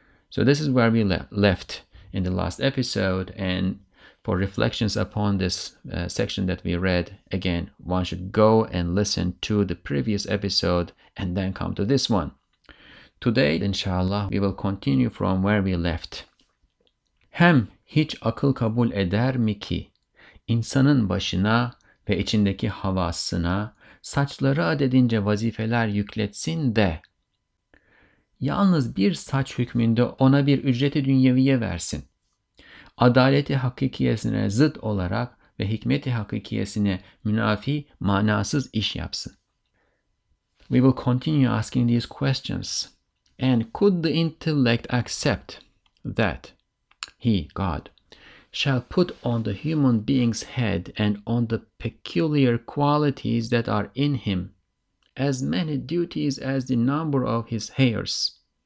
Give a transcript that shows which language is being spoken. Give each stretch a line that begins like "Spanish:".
English: So this is where we left in the last episode, and for reflections upon this section that we read, again, one should go and listen to the previous episode and then come to this one. Today, inshallah, we will continue from where we left.
Turkish: Hem hiç akıl kabul eder mi ki, insanın başına ve içindeki havasına saçları adedince vazifeler yükletsin de, yalnız bir saç hükmünde ona bir ücreti dünyeviye versin. Adaleti hakikiyesine zıt olarak ve hikmeti hakikiyesine münafi, manasız iş yapsın.
English: We will continue asking these questions. And could the intellect accept that he, God, shall put on the human being's head and on the peculiar qualities that are in him as many duties as the number of his hairs?